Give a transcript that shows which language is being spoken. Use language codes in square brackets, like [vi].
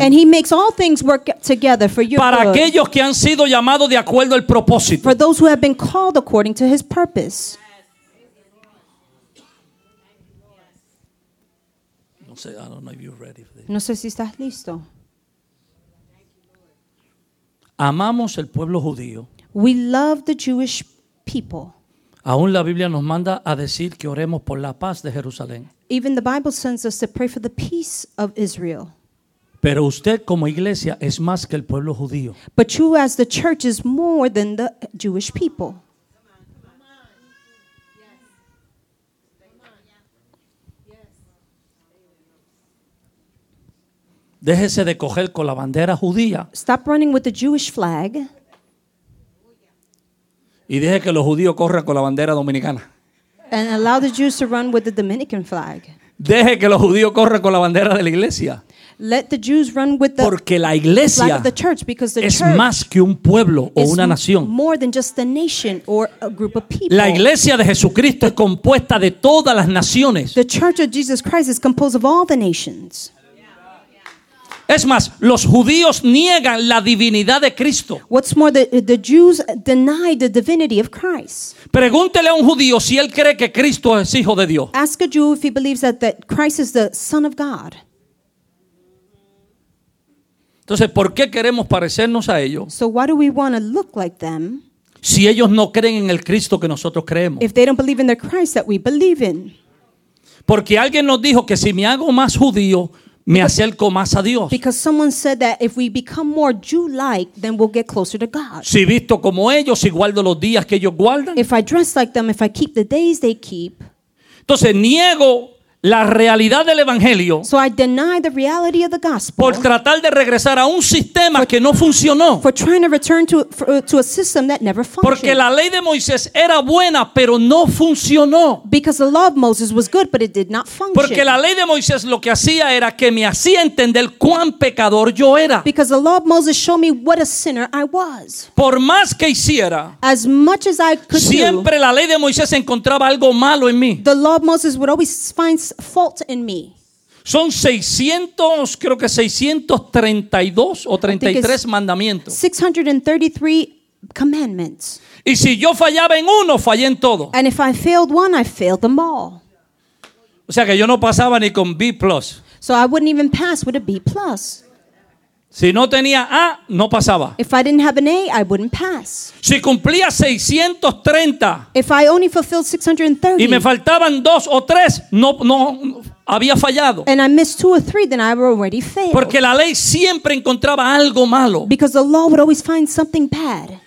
[en] And he makes all things work together for your [es] para [en] good. [es] Para aquellos que han sido llamados de acuerdo al propósito. [en] For those who have been called according to his purpose. [es] No sé, [en] I don't know if you're ready for this. [es] No sé si estás listo. Amamos el pueblo judío. [en] We love the Jewish people. [es] Aún la Biblia nos manda a decir que oremos por la paz de Jerusalén. [en] Even the Bible sends us to pray for the peace of Israel. [es] Pero usted como iglesia es más que el pueblo judío. [en] But you as the church is more than the Jewish people. [es] Déjese de coger con la bandera judía. [en] Stop running with the Jewish flag. [es] Y deje que los judíos corran con la bandera dominicana. [en] And allow the Jews to run with the Dominican flag. [es] Deje que los judíos corran con la bandera de la iglesia. [en] Let the Jews run with the, [es] porque la iglesia [en] flag of the church, because the [es] es [en] church [es] más que un pueblo o una nación. [en] More than just a nation or a group of people. [es] La iglesia de Jesucristo es compuesta de todas las naciones. [en] The church of Jesus Christ is composed of all the nations. [es] Es más, los judíos niegan la divinidad de Cristo. [en] What's more, the Jews deny the divinity of Christ. [es] Pregúntele a un judío si él cree que Cristo es hijo de Dios. [en] Ask a Jew if he believes that Christ is the Son of God. [es] Entonces, ¿por qué queremos parecernos a ellos? [en] So why do we want to look like them? [es] Si ellos no creen en el Cristo que nosotros creemos. [en] If they don't believe in the Christ that we believe in. [es] Porque alguien nos dijo que si me hago más judío, me acerco más a Dios. [en] Because someone said that if we become more Jew-like, then we'll get closer to God. [es] Si visto como ellos, si guardo los días que ellos guardan. [en] If I dress like them, if I keep the days they keep. [es] Entonces niego la realidad del evangelio. [en] So I deny the reality of the gospel. [es] Por tratar de regresar a un sistema que no funcionó. [en] For trying to return to a system that never functioned. [es] Porque la ley de Moisés era buena, pero no funcionó. [en] Because the law of Moses was good, but it did not function. [es] Porque la ley de Moisés lo que hacía era que me hacía entender cuán pecador yo era. [en] Because the law of Moses showed me what a sinner I was. [es] Por más que hiciera, [en] as much as I could, [es] siempre [en] do, [es] la ley de Moisés encontraba algo malo en mí. [en] The law of Moses would always find fault in me. [es] Son 600, creo que 632 o 33 mandamientos. [en] 633 commandments. [es] Y si yo fallaba en uno, fallé en todo. [en] And if I failed one, I failed them all. [es] O sea que yo no pasaba ni con B+. [en] So I wouldn't even pass with a B+. [es] Si no tenía A, no pasaba. [en] If I didn't have an A, I wouldn't pass. [es] Si cumplía 630. [en] If I only fulfilled 630. [es] Y me faltaban dos o tres, no había fallado. [en] And I missed two or three, then I already failed. [es] Porque la ley siempre encontraba algo malo. [en] Because the law would always find something bad.